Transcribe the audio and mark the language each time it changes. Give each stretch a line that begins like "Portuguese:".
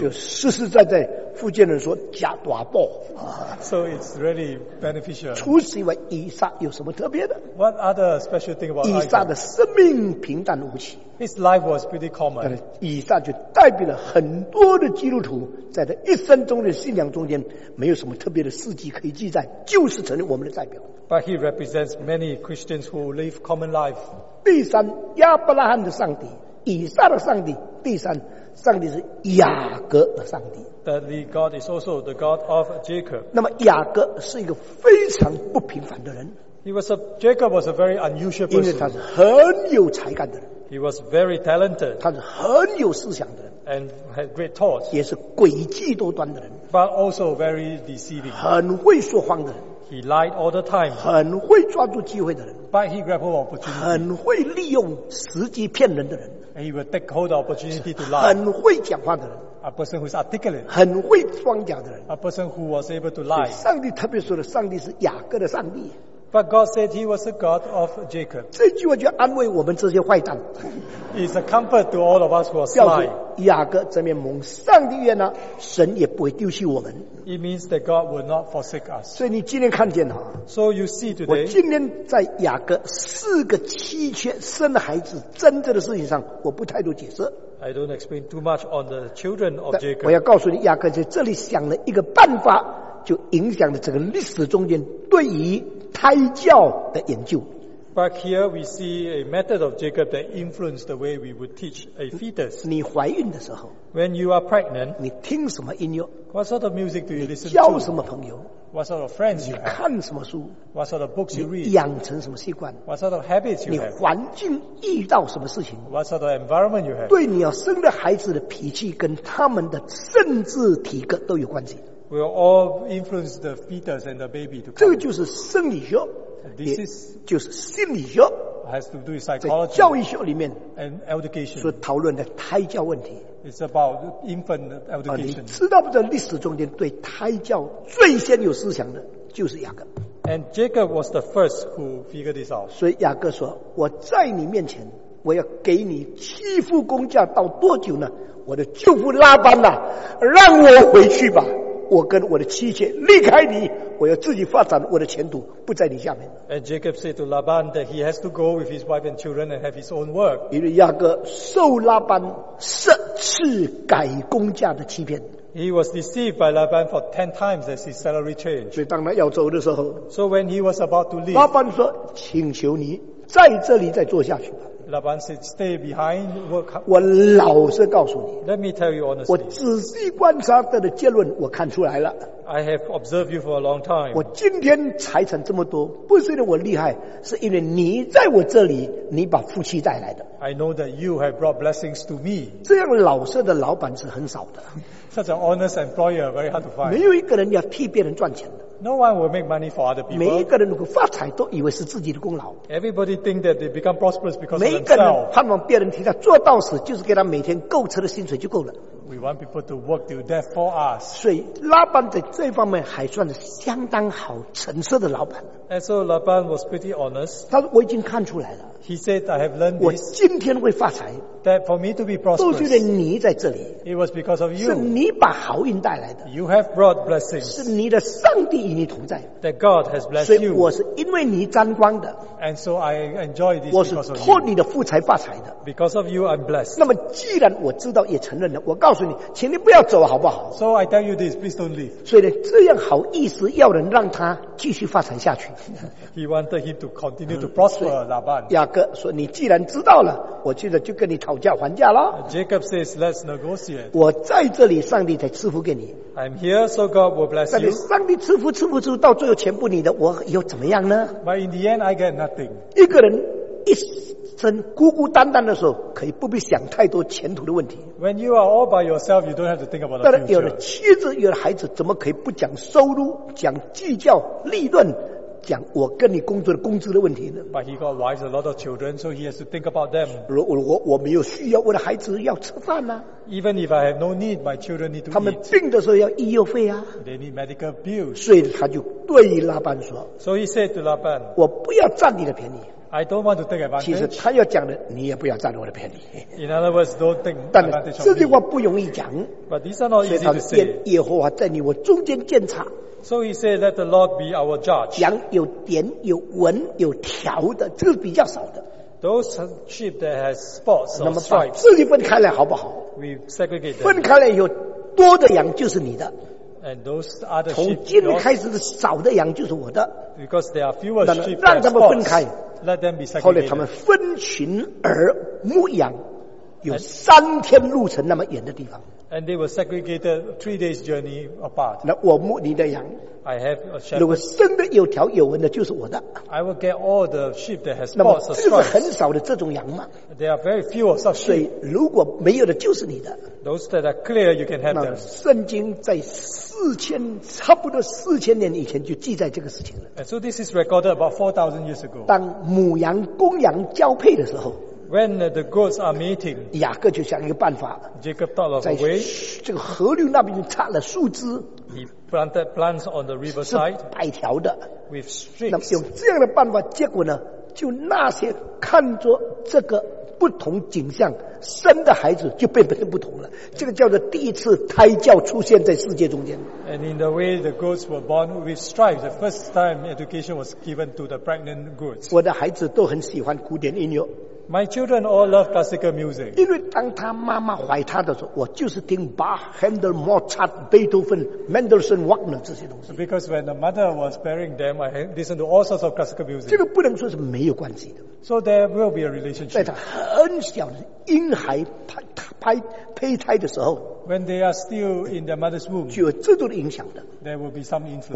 Chinese: 就实实在在，福建人说假大补。
English: So it's really beneficial.
Chinese: 除此以外，以撒有什么特别的
English: ？What other special thing about
Chinese: 以撒的生命平淡无奇。
English: His life was pretty common.
Chinese: 以撒就代表了很多的基督徒在他一生中的信仰中间没有什么特别的事迹可以记载，就是成了我们的代表。
English: But he represents many Christians who live common life.
Chinese: 第三，亚伯拉罕的上帝，以撒的上帝。第三，上帝是雅各的上帝。
English: Thirdly, God is also the God of Jacob.
Chinese: 那么雅各是一个非常不平凡的人。
English: Jacob was a very unusual person.
Chinese: 因为他是很有才干的人。
English: He was very talented.
Chinese: 他是很有思想的人。
English: And had great thoughts.
Chinese: 也是诡计多端的人。
English: But also very deceiving.
Chinese: 很会说谎的人。
English: He lied all the time.
Chinese: 很会抓住机会的人。
English: But he grabbed hold of opportunity.
Chinese: 很会利用时机骗人的人。
English: And he would take hold of opportunity to lie.
Chinese: 很会讲话的人。
English: A person who is articulate.
Chinese: 很会装假的人。
English: A person who was able to lie.
Chinese: 上帝特别说了，上帝是雅各的上帝。
English: But God said he was the God of Jacob.
Chinese: 这句话就安慰我们这些坏蛋。
English: It's a comfort to all of us who are sly.
Chinese: 告诉雅各这面蒙上帝悦纳，神也不会丢弃我们。
English: It means that God will not forsake us.
Chinese: 所以你今天看见哈。
English: So you see today.
Chinese: 我今天在雅各四个妻妾生孩子争执的事情上，我不太多解释。
English: I don't explain too much on the children of Jacob.
Chinese: 我要告诉你，雅各在这里想了一个办法，就影响了整个历史中间对于胎教的研究。
English: But here we see a method of Jacob that influenced the way we would teach a fetus.
Chinese: 你怀孕的时候
English: ，When you are pregnant，
Chinese: 你听什么音乐
English: ？What sort of music do you listen to？
Chinese: 你交什么朋友
English: ？What sort of friends you have？
Chinese: 你看什么书
English: ？What sort of books you read？
Chinese: 你养成什么习惯
English: ？What sort of habits you have？
Chinese: 你环境遇到什么事情
English: ？What sort of environment you have？
Chinese: 对你要生的孩子的脾气跟他们的甚至体格都有关系。
English: Will all influence the fetus and the baby to come.
Chinese: 这个就是生理学
English: ，this is
Chinese: 就是心理学
English: ，has to do with psychology.
Chinese: 教育学里面
English: ，and education
Chinese: 所讨论的胎教问题
English: ，it's about infant education.
Chinese: 你知道不知道历史中间对胎教最先有思想的就是雅各
English: ？And Jacob was the first who figured this out.
Chinese: 所以雅各说：“我在你面前，我要给你七副工价，到多久呢？我的舅父拉班呐、啊，让我回去吧。” 我跟我的妻妾离开你，我要自己发展我的前途，不在你下面。
English: And Jacob said to Laban that he has to go with his wife and children and have his own work.
Chinese: 因为雅各受拉班十次改工价的欺骗。
English: He was deceived by Laban for 10 times as his salary changed.
Chinese: 所以当他要走的时候
English: ，So when he was about to leave,
Chinese: 拉班说：“请求你在这里再做下去吧。”
English: Laban said, "Stay behind, work."
Chinese: 我老实告诉你
English: ，Let me tell you honestly.
Chinese: 我仔细观察的结论，我看出来了。
English: I have observed you for a long time.
Chinese: 我今天财产这么多，不是因为我厉害，是因为你在我这里，你把福气带来的。
English: I know that you have brought blessings to me.
Chinese: 这样老实的老板是很少的。
English: Such an honest employer very hard to find.
Chinese: 没有一个人要替别人赚钱的。
English: No one will make money for other people.
Chinese: 每一个人如果发财，都以为是自己的功劳。
English: Everybody think that they become prosperous because of themselves.
Chinese: 每一个人盼望别人替他做到死，就是给他每天够吃的薪水就够了。
English: We want people to work till death for us.
Chinese: 所以拉班在这方面还算是相当好、诚实的老板。
English: And so Laban was pretty honest.
Chinese: 他说我已经看出来了。
English: He said, "I have learned this."
Chinese: 我今天会发财。
English: That for me to be prosperous.
Chinese: 都是因为你在这里。
English: It was because of you.
Chinese: 是你把好运带来的。
English: You have brought blessings.
Chinese: 是你的上帝与你同在。
English: That God has blessed you.
Chinese: 所以我是因为你沾光的。
English: And so I enjoy this because of you.
Chinese: 我是托你的福才发财的。
English: Because of you, I'm blessed.
Chinese: 那么既然我知道也承认了，我告诉你，请你不要走，好不好
English: ？So I tell you this, please don't leave.
Chinese: 所以这样好意思要人让他继续发财下去。
English: He wanted him to continue to prosper, Laban.
Chinese: 雅各说：“你既然知道了，我现在就跟你讨价还价了。”
English: Jacob says, "Let's negotiate."
Chinese: 我在这里，上帝才赐福给你。
English: I'm here, so God will bless you.
Chinese: 但是上帝赐福赐福赐福，到最后全部你的，我又怎么样呢
English: ？But in the end, I get nothing.
Chinese: 一个人一生孤孤单单的时候，可以不必想太多前途的问题。
English: When you are all by yourself, you don't have to think about the future.
Chinese: 但是有了妻子，有了孩子，怎么可以不讲收入，讲计较利润？讲我跟你工作的工资的问题呢
English: ？But he got wives, a lot of children, so he has to think about them.
Chinese: 我没有需要，我的孩子要吃饭呐、啊。
English: Even if I have no need, my children need to eat.
Chinese: 他们病的时候要医药费啊。
English: They need medical bills.
Chinese: 所以他就对拉班说
English: ：So he said to Laban,
Chinese: 我不要占你的便宜。
English: I don't want to take advantage.
Chinese: 其实他要讲的，你也不要占我的便宜。
English: In other words, don't take advantage of me.
Chinese: 这句话不容易讲。
English: But these are not easy to say.
Chinese: 所以他说：耶和华在你我中间鉴察。
English: So he said, "Let the Lord be our judge."
Chinese: 羊有点有纹有条的，这个比较少的。
English: Those sheep that has spots or stripes.
Chinese: 那么把自己分开来好不好
English: ？We segregate them.
Chinese: 分开来有多的羊就是你的。
English: And those other sheep.
Chinese: 从今天开始的少的羊就是我的。
English: Because there are fewer sheep.
Chinese: 让他们分开。
English: Let them be segregated.
Chinese: 后来他们分群而牧羊，有三天路程那么远的地方。
English: And they were segregated 3 days journey apart.
Chinese: 那我牧你的羊。
English: I have a shepherd.
Chinese: 如果生的有条有纹的，就是我的。
English: I will get all the sheep that has spots or stripes.
Chinese: 那么这是很少的这种羊吗
English: ？There are very few of such sheep.
Chinese: 所以如果没有的，就是你的。
English: Those that are clear, you can have them.
Chinese: 圣经在差不多四千年以前就记载这个事情了。
English: And so this is recorded about 4,000 years ago.
Chinese: 当母羊公羊交配的时候。
English: When the goats are mating,
Chinese: 雅各就想一个办法
English: Jacob thought of a way,
Chinese: 在这个河流那边插了树枝
English: He planted plants on the riverside,
Chinese: 是白条的
English: with streaks.
Chinese: 那么用这样的办法结果呢就那些看着这个不同景象生的孩子就变得不同了这个叫做第一次胎教出现在世界中间
English: And in the way the goats were born with stripes the first time education was given to the pregnant goats
Chinese: 我的孩子都很喜欢古典音乐
English: My children all love classical music.
Chinese: 因为当他妈妈怀他的时候，我就是听 Bach, Handel, Mozart, Beethoven, Mendelssohn, Wagner 这些东西。
English: Because when the mother was bearing them, I listened to all sorts of classical music.
Chinese: 这个不能说是没有关系的。
English: So there will be a relationship.
Chinese: 在他很小的婴孩胚胎的时候
English: ，When they are still in their mother's womb,
Chinese: 就有这种影响的。
English: There will be some influence.